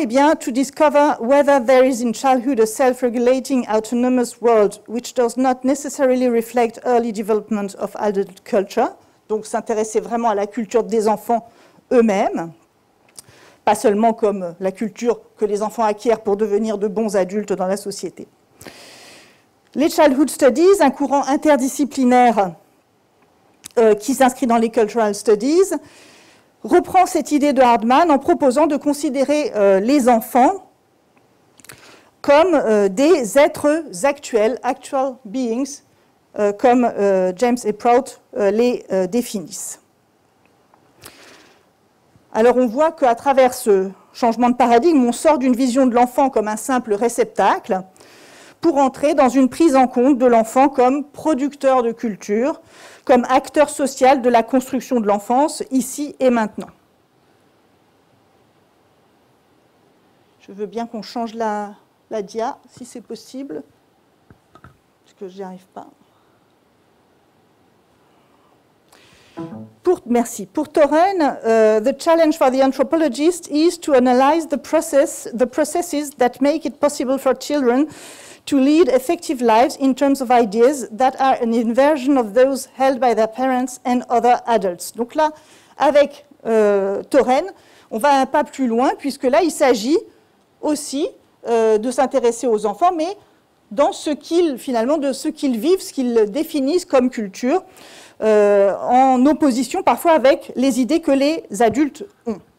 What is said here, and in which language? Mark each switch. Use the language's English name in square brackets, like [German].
[French] Eh bien, [English] to discover whether there is in childhood a self-regulating autonomous world which does not necessarily reflect early development of adult culture. [French] Donc s'intéresser vraiment à la culture des enfants eux-mêmes, pas seulement comme la culture que les enfants acquièrent pour devenir de bons adultes dans la société. Les childhood studies, un courant interdisciplinaire qui s'inscrit dans les cultural studies, reprend cette idée de Hartman en proposant de considérer les enfants comme des êtres actuels, [English] actual beings, [French] comme James et Prout les définissent. Alors on voit qu'à travers ce changement de paradigme, on sort d'une vision de l'enfant comme un simple réceptacle pour entrer dans une prise en compte de l'enfant comme producteur de culture, comme acteur social de la construction de l'enfance, ici et maintenant. Je veux bien qu'on change la dia, si c'est possible, parce que je n'y arrive pas. Merci. [English] Pour Torren, the challenge for the anthropologist is to analyze the processes that make it possible for children to lead effective lives in terms of ideas that are an inversion of those held by their parents and other adults. [French] Donc là, avec Torren, on va un pas plus loin, puisque là, il s'agit aussi de s'intéresser aux enfants, mais dans ce qu'ils, finalement, de ce qu'ils vivent, ce qu'ils définissent comme culture, en opposition parfois avec les idées que les adultes ont.